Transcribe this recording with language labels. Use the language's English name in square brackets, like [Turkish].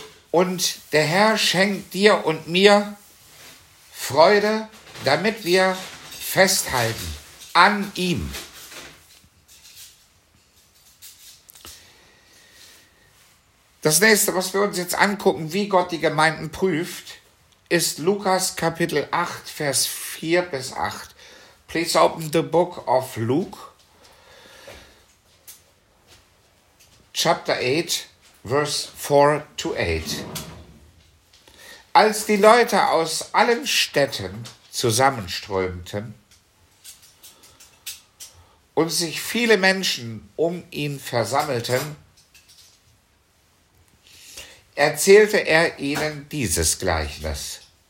[German] Und der Herr schenkt dir und mir Freude, damit wir festhalten an ihm. Das nächste, was wir uns jetzt angucken, wie Gott die Gemeinden prüft, ist Lukas Kapitel 8, Vers 4 bis 8. [English] Please open the book of Luke, Chapter 8. Verse 4 to 8. [German] Als die Leute aus allen Städten zusammenströmten und sich viele Menschen um ihn versammelten, erzählte er ihnen dieses Gleichnis.